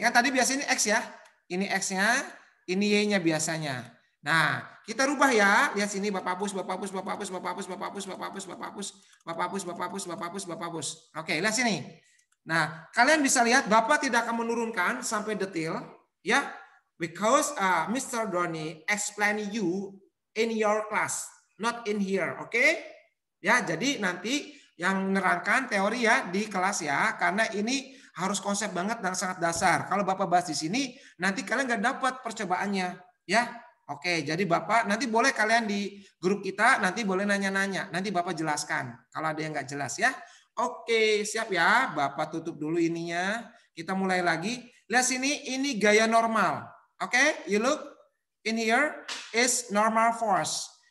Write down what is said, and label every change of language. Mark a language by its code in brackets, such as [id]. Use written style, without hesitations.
[id] Kan tadi biasanya ini X ya. Ini X-nya, ini Y-nya biasanya. Nah, kita rubah ya. Lihat sini, Bapak hapus. Oke, lihat sini. Nah, kalian bisa lihat Bapak tidak akan menurunkan sampai detail, ya. [en] Because Mr. Donnie explain you in your class, not in here, oke? Okay? [id] Ya, jadi nanti yang nerangkan teori ya di kelas ya, karena ini harus konsep banget dan sangat dasar. Kalau Bapak bahas di sini, nanti kalian nggak dapat percobaannya, ya? Oke, okay, jadi Bapak nanti boleh kalian di grup kita nanti boleh nanya-nanya, nanti Bapak jelaskan kalau ada yang nggak jelas ya. Oke, okay, siap ya, Bapak tutup dulu ininya, kita mulai lagi. Lihat sini, ini gaya normal. [en] Oke, okay, you look in here is normal force.